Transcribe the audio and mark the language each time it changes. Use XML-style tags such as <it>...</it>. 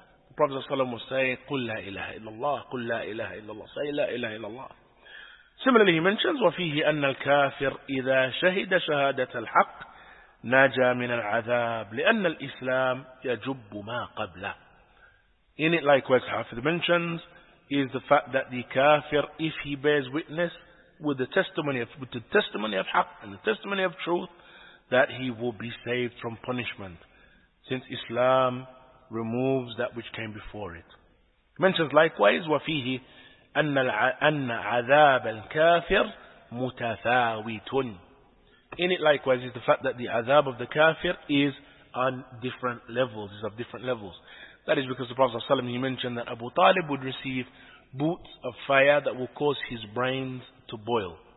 <en>The Prophet ﷺ was saying,</en> <ar>قُلْ لَا إِلَهَ إِلَّا اللَّهِ قُلْ لَا إِلَهَ إِلَّا اللَّهِ say, لَا إِلَهَ إِلَّا اللَّهِ.</ar> <en>Similarly, he mentions,</en> <ar>وَفِيهِ أَنَّ الْكَافِرَ إِذَا شَهِدَ شَهَادَةَ الْحَقِّ نَاجَى مِنَ الْعَذَابِ لِأَنَّ الْإِسْلَامَ يَجُبُّ مَا قَبْلَهُ.</ar> <en>In it, likewise, Hafidh mentions, is the fact that the kafir, if he bears witness with the testimony of haqq and the testimony of truth, that he will be saved from punishment, since Islam removes that which came before it. He mentions, likewise,</en> <ar>وَفِيهِ أَنَّ عَذَابَ الْكَافِرِ مُتَثَاوِتٌ.</ar> <en>In it likewise is the fact that the azab of the kafir is on different levels, is of different levels. That is because the Prophet ﷺ, he mentioned that Abu Talib would receive boots of fire that will cause his brains to boil.</en>